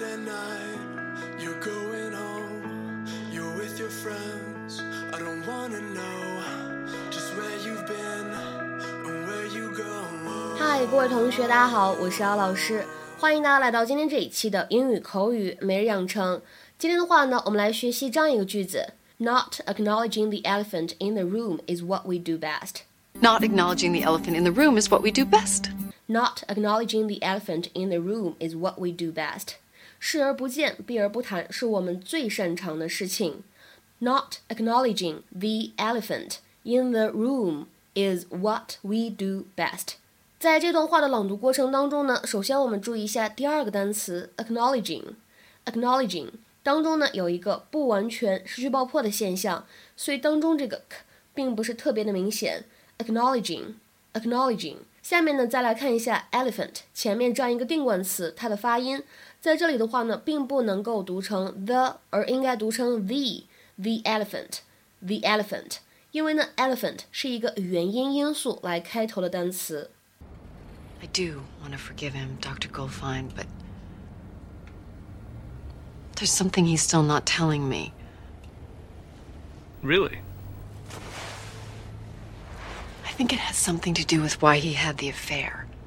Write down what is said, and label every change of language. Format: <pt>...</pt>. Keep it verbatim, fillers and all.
<en>night, you're going home, you're with your friends. I don't wanna know just where you've been and where you go.</en> <zh>嗨，各位同学，大家好，我是姚老师，欢迎大家来到今天这一期的英语口语每日养成。今天的话呢，我们来学习这样一个句子 ：</zh> <en>Not acknowledging the elephant in the room is what we do best. Not acknowledging the elephant in the room is what we do best. Not acknowledging the elephant in the room is what we do best.</en> <zh>视而不见，避而不谈，是我们最擅长的事情。</zh> <en>Not acknowledging the elephant in the room is what we do best.</en> <zh>在这段话的朗读过程当中呢，首先我们注意一下第二个单词 acknowledging。 acknowledging 当中呢有一个不完全失去爆破的现象，所以当中这个 k 并不是特别的明显。</zh> <en>acknowledging acknowledging。</en> <zh>下面呢再来看一下 elephant 前面这样一个定冠词它的发音，在这里的话呢并不能够读成 the， 而应该读成 the the elephant the elephant， 因为呢 elephant 是一个元音因素来开头的单词。</zh> <en>I do want to forgive him, Doctor Goldfine, but there's something he's still not telling me. Really? I think it has something to do with why he had the affair.</en>